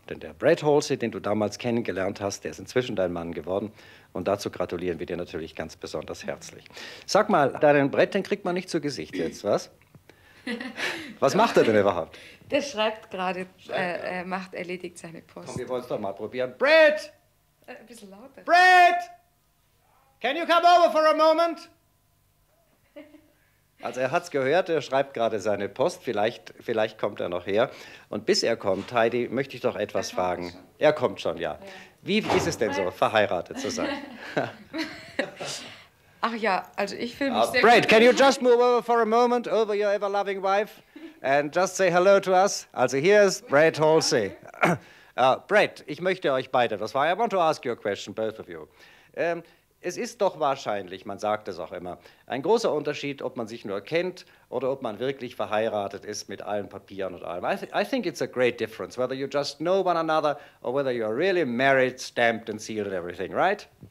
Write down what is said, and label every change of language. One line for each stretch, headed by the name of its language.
German: Denn der Brad Halsey, den du damals kennengelernt hast, der ist inzwischen dein Mann geworden. Und dazu gratulieren wir dir natürlich ganz besonders herzlich. Sag mal, deinen Brett, den kriegt man nicht zu Gesicht jetzt, was? Was macht er denn überhaupt? Der schreibt gerade, macht erledigt seine Post. Komm, wir wollen es doch mal probieren. Brett! Ein bisschen lauter. Brett!
English: Can you come over for a moment?
German: Also er hat's gehört, er schreibt gerade seine Post. Vielleicht kommt er noch her. Und bis er kommt, Heidi, möchte ich doch etwas fragen. Er kommt schon, ja. Wie ist es denn so, verheiratet zu sein? Ach ja, also ich fühle mich sehr gut.
English: Brett, can you just move over for a moment over your ever-loving wife and just say hello to us?
German: Also hier ist Brett Halsey. Brett, ich möchte euch beide, das war,
English: I want to ask you a question, both of you.
German: Es ist doch wahrscheinlich, man sagt es auch immer, ein großer Unterschied, ob man sich nur kennt oder ob man wirklich verheiratet ist mit allen Papieren und allem.
English: I think it's a great difference, whether you just know one another or whether you are really married, stamped and sealed and everything, right?